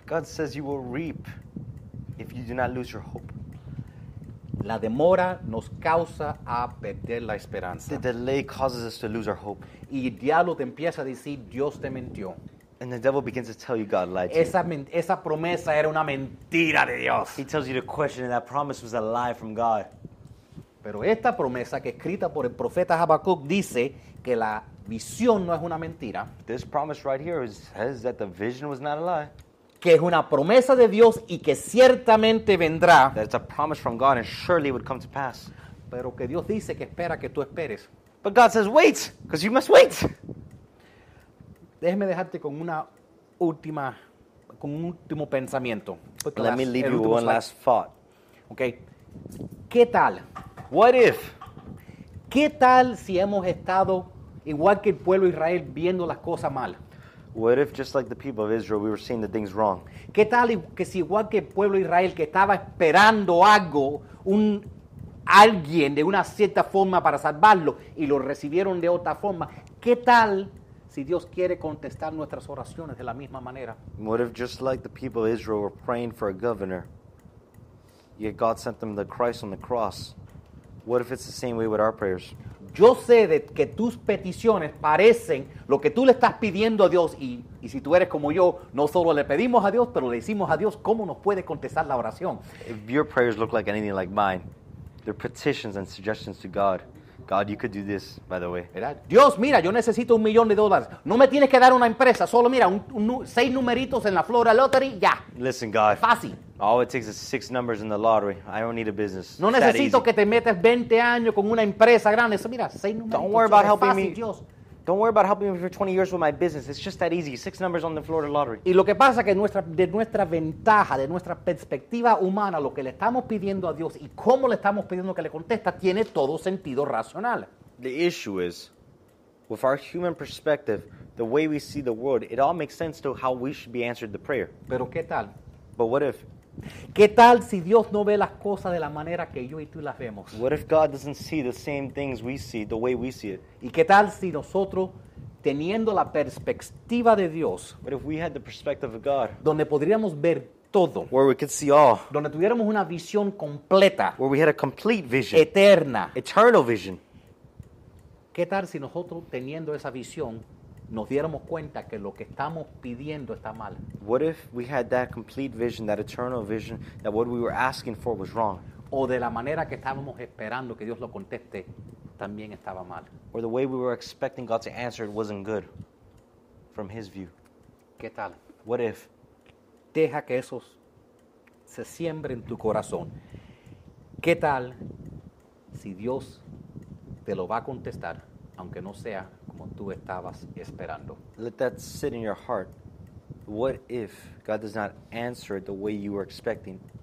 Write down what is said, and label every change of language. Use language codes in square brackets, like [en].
[en] God says you will reap if you do not lose your hope. [es] La demora nos causa a perder la esperanza. [en] The delay causes us to lose our hope. [es] Y el diablo te empieza a decir, Dios te mintió. [en] And the devil begins to tell you God lied to [es] you. Esa promesa era una mentira de Dios. [en] He tells you to question and that promise was a lie from God. [es] Pero esta promesa que escrita por el profeta Habacuc dice que la visión no es una mentira. [en] This promise right here says that the vision was not a lie. [es] Que es una promesa de Dios y que ciertamente vendrá. [en] That it's a promise from God and surely it would come to pass. [es] Pero que Dios dice que espera que tú esperes. [en] But God says wait, because you must wait. [es] Déjeme dejarte con una última, con un último pensamiento. [en] Let me leave you with one last thought. Okay. [es] ¿Qué tal? [en] What if? [es] ¿Qué tal si hemos estado igual que el pueblo de Israel viendo las cosas mal? [en] What if, just like the people of Israel, we were seeing the things wrong? [es] ¿Qué tal que si igual que el pueblo de Israel que estaba esperando algo, un alguien de una cierta forma para salvarlo y lo recibieron de otra forma? ¿Qué tal si Dios quiere contestar nuestras oraciones de la misma manera? [en] What if, just like the people of Israel were praying for a governor, yet God sent them the Christ on the cross? What if it's the same way with our prayers? [es] Yo sé de que tus peticiones parecen lo que tú le estás pidiendo a Dios. Y si tú eres como yo, no solo le pedimos a Dios, pero le decimos a Dios cómo nos puede contestar la oración. [en] If your prayers look like anything like mine, they're petitions and suggestions to God. God, you could do this, by the way. [es] ¿Verdad? Dios, mira, yo necesito $1,000,000. No me tienes que dar una empresa. Solo mira, 6 numeritos en la Florida Lottery, ya. [en] Listen, God. [es] Fácil. [en] All it takes is 6 numbers in the lottery. I don't need a business. [es] No [en] it's [es] necesito que te metas 20 años con una empresa grande. [en] So, [es] mira, 6 numeritos. [en] Don't worry about helping [es] fácil, [en] me. [es] Dios. [en] Don't worry about helping me for 20 years with my business. It's just that easy. 6 numbers on the Florida Lottery. [es] Y lo que pasa que de nuestra ventaja, de nuestra perspectiva humana, lo que le estamos pidiendo a Dios y cómo le estamos pidiendo que le contesta, tiene todo sentido racional. [en] The issue is, with our human perspective, the way we see the world, it all makes sense to how we should be answered the prayer. [es] Pero ¿qué tal? [en] But what if? [es] ¿Qué tal si Dios no ve las cosas de la manera que yo y tú las vemos? [en] What if God doesn't see the same things we see, the way we see it? [es] ¿Y qué tal si nosotros teniendo la perspectiva de Dios, [en] but if we had the perspective of God, [es] donde podríamos ver todo, [en] where we could see all, [es] donde tuviéramos una visión completa, [en] where we had a complete vision, [es] eterna, [en] eternal vision, [es] ¿qué tal si nosotros teniendo esa visión nos diéramos cuenta que lo que estamos pidiendo está mal? [en] What if we had that complete vision, that eternal vision, that what we were asking for was wrong? [es] O de la manera que estábamos esperando que Dios lo conteste también estaba mal. [en] Or the way we were expecting God to answer it wasn't good from his view. [es] ¿Qué tal? [en] What if? [es] Deja que eso se siembre en tu corazón. ¿Qué tal si Dios te lo va a contestar aunque no sea como tú estabas esperando? [en] Let that sit in your heart. What if God does not answer it the way you were expecting?